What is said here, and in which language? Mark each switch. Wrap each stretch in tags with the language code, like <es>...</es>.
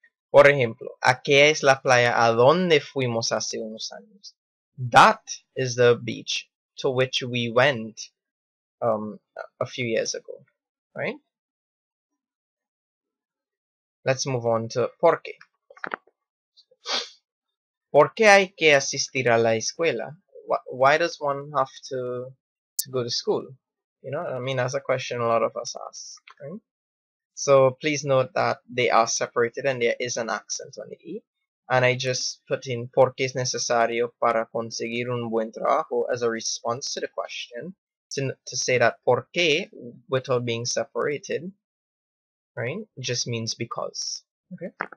<es>Por ejemplo, ¿a qué es la playa a donde fuimos hace unos años?</es> <en>That is the beach to which we went a few years ago, right? Let's move on to ¿por qué?</en> <es>¿Por qué hay que asistir a la escuela?</es> <en>Why does one have to go to school? You know, I mean, that's a question a lot of us ask, right? So please note that they are separated and there is an accent on the E.</en> <es>And I just put in ¿por qué es necesario para conseguir un buen trabajo?</es> <en>As a response to the question, to say that ¿por qué, without being separated, right, just means because. Okay.</en>